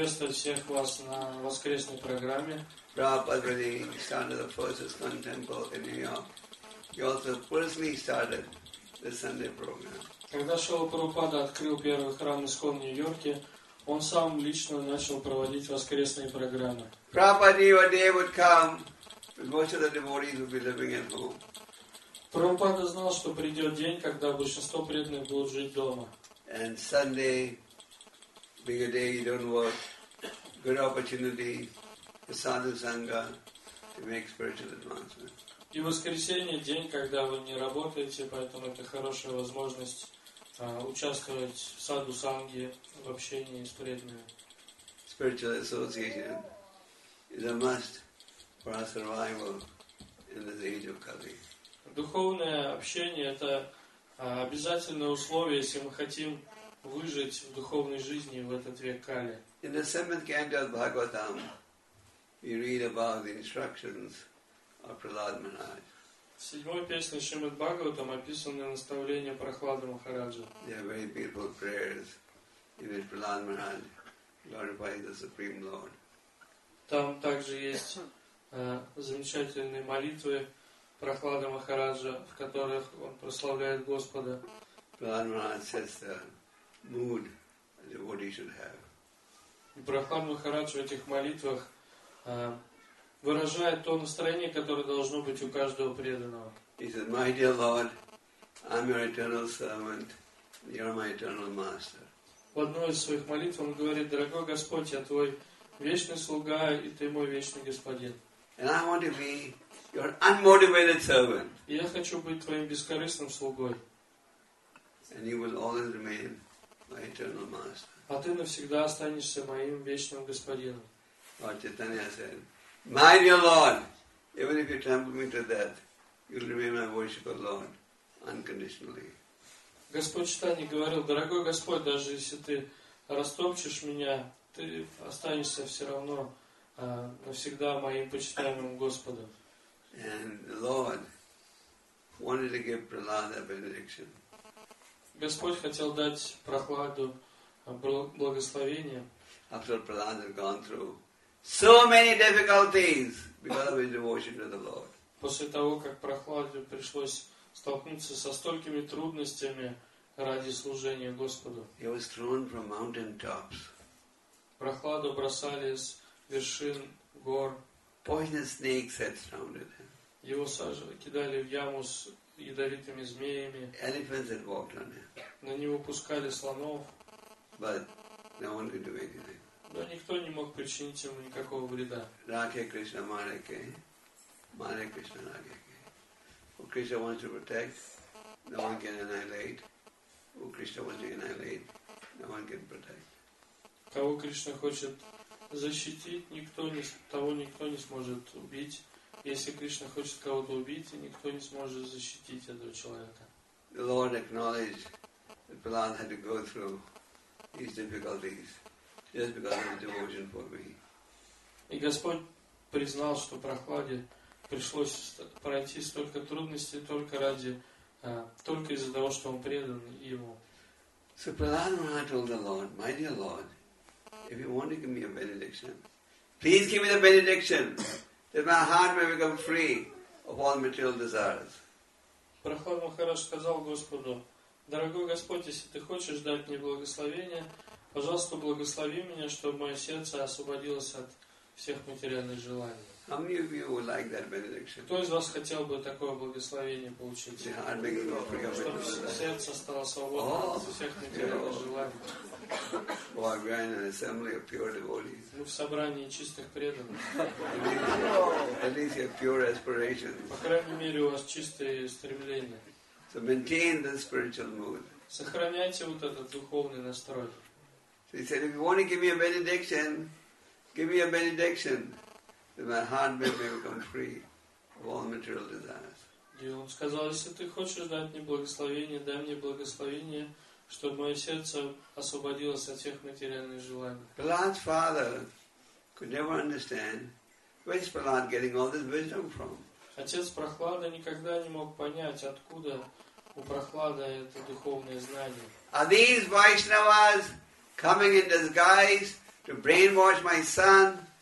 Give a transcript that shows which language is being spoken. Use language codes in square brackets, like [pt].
[ru] Всех вас на воскресной программе. [en] Prabhupada, when he started the first ISKCON temple in New York, he also personally started the Sunday program. [ru] Когда Шрила Прабхупада открыл первый храм ISKCON в Нью-Йорке, он сам лично начал проводить воскресные программы. [en] Prabhupada, when they would come, most of the devotees would be living at home. [ru] Прабхупада знал, что придет день, когда большинство преданных будут жить дома. [en] And Sunday, being a day you don't work, good opportunity for sadhu sangha to make spiritual advancement. [ru] И воскресенье день, когда вы не работаете, поэтому это хорошая возможность участвовать в саду санги, в общении с преданными. [en] Spiritual association is a must for our survival in this age of Kali. [ru] Духовное общение это обязательное условие, если мы хотим выжить в духовной жизни в этот век Кали. [en] In the seventh canto of Bhagavatam, we read about the instructions of Prahlad Maharaj. [ru] В седьмой песне Шримад Бхагаватам описаны наставления Прахлады Махараджа. [en] They are very beautiful prayers in which Prahlad Maharaj glorifies the Supreme Lord. [ru] Там также есть замечательные молитвы Прахлады Махараджа, в которых он прославляет Господа. [en] Prahlad Maharaj says the mood a devotee should have. [ru] Прахлад Махарадж в этих молитвах выражает то настроение, которое должно быть у каждого преданного. [en] He said, my dear Lord, I'm your eternal servant, you're my eternal master. [ru] В одной из своих молитв он говорит, дорогой Господь, я твой вечный слуга, и ты мой вечный господин. [en] And I want to be your unmotivated servant. [ru] И я хочу быть твоим бескорыстным слугой. [en] And you will always remain my eternal master. [ru] А ты навсегда останешься моим вечным господином. [en] Lord Chaitanya said, my dear Lord, even if you trample me to death, you'll remain my worshipful Lord unconditionally. [ru] Господь Читани говорил, дорогой Господь, даже если ты растопчешь меня, ты останешься все равно навсегда моим почитаемым Господом. [en] And the Lord wanted to give Prahlada benediction. [ru] Господь хотел дать Прахладу благословение. [en] After Prahlad had gone through so many difficulties because of his devotion to the Lord. [ru] После того, как Прахладе пришлось столкнуться со столькими трудностями ради служения Господу. [en] He was thrown from mountain tops. [ru] Прахладу бросали с вершин гор. [en] Poisonous snakes had surrounded him. [ru] Его кидали в яму с ядовитыми змеями. [en] Elephants had walked on him. [ru] На него пускали слонов. [en] But no one could do anything. [ru] Но никто не мог причинить ему никакого вреда. Radhe Krishna Mare Ke, Mare Krishna Radhe Ke. [en] Who Krishna wants to protect, no one can annihilate. Who Krishna wants to annihilate, no one can protect. [ru] Кого Кришна хочет защитить, никто не сможет убить. Если Кришна хочет кого-то убить, никто не сможет защитить этого человека. [en] The Lord acknowledged that Prahlad had to go through these difficulties just because of his devotion for me. [ru] И Господь признал, что Прахладе пришлось пройти столько трудностей только из-за того, что он предан Ему. [en] So Prahlad Maharaj told the Lord, my dear Lord, If you want to give me a benediction, please give me the benediction that my heart may become free of all material desires. [ru] Прохлад Махарадж сказал Господу: «Дорогой Господь, если ты хочешь дать мне благословение, пожалуйста, благослови меня, чтобы мое сердце освободилось от всех материальных желаний». [en] How many of you would like that benediction? [ru] Кто из вас хотел бы такое благословение получить? [en] The heart became free of [ru] сердце стало свободным от всех материальных желаний. [en] Well, we are in an assembly of pure devotees. [ru] Мы в собрании чистых преданных. [en] At least you have pure aspirations. [ru] По крайней мере, у вас чистые стремления. [en] So maintain the spiritual mood. [ru] Сохраняйте вот этот духовный настрой. [en] So he said, if you want to give me a benediction, give me a benediction, that my heart may become free of all material desires. [ru] И он сказал, если ты хочешь дать мне благословение, дай мне благословение, чтобы мое сердце освободилось от всех материальных желаний. [en] Prahlad's father could never understand where is Prahlad getting all this wisdom from. [ru] Отец Прохлада никогда не мог понять, откуда у Прохлада это духовное знание. [en] Are these Vaishnavas coming in disguise to brainwash my son?